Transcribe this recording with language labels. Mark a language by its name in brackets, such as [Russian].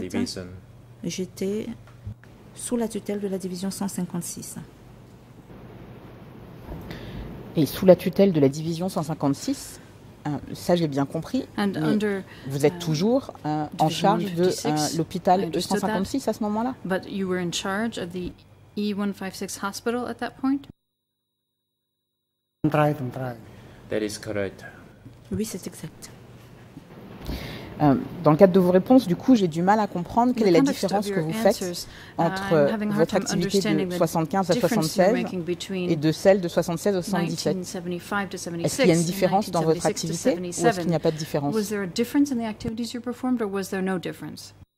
[French] division. J'étais sous la tutelle de la division 156. Et sous la tutelle de la division 156, ça j'ai bien compris, vous êtes toujours en charge de l'hôpital E156 à ce moment-là? [English] But you were in charge of the E156 hospital at that point? That is correct. [French] Oui, c'est exact. Dans le cadre de vos réponses, du coup, j'ai du mal à comprendre quelle est la différence que vous faites entre votre activité de 75 à 76 et de celle de 76 à 77. Est-ce qu'il y a une différence dans votre activité ou est-ce qu'il n'y a pas de différence? [English] Was there a difference in the activities you performed or was there no difference?